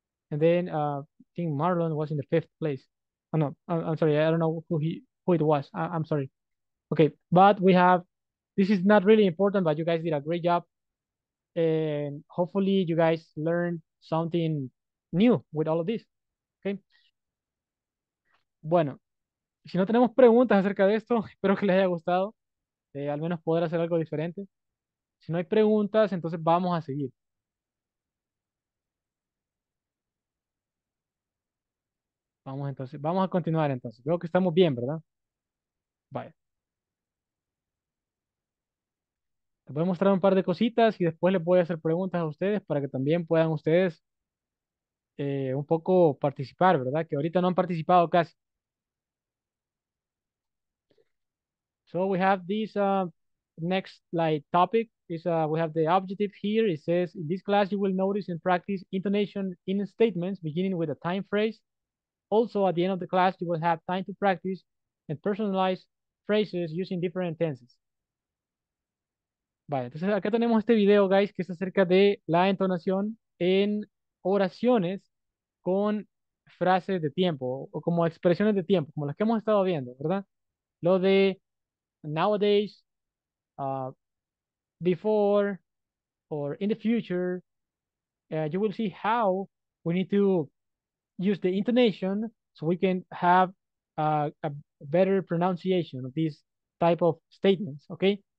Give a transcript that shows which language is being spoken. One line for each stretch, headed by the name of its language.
English: And then I think Marlon was in the fifth place. Oh, no, I'm sorry. I don't know who it was. I'm sorry. Okay, but we have, this is not really important, but you guys did a great job. And hopefully you guys learned something new with all of this.
Spanish: Okay. Bueno. Si no tenemos preguntas acerca de esto, espero que les haya gustado. Al menos poder hacer algo diferente. Si no hay preguntas, entonces vamos a seguir. Vamos entonces, vamos a continuar entonces. Veo que estamos bien, ¿verdad? Vale. Les voy a mostrar un par de cositas y después les voy a hacer preguntas a ustedes para que también puedan ustedes un poco participar, ¿verdad? Que ahorita no han participado casi.
English: So we have this next like topic is we have the objective here. It says in this class you will notice and practice intonation in statements beginning with a time phrase. Also at the end of the class you will have time to practice and personalize phrases using different tenses.
Spanish: Vale, entonces acá tenemos este video, guys, que es acerca de la entonación en oraciones con frases de tiempo o como expresiones de tiempo, como las que hemos estado viendo, ¿verdad?
English: Lo de nowadays, before, or in the future, you will see how we need to use the intonation so we can have a better pronunciation of these type of statements, okay?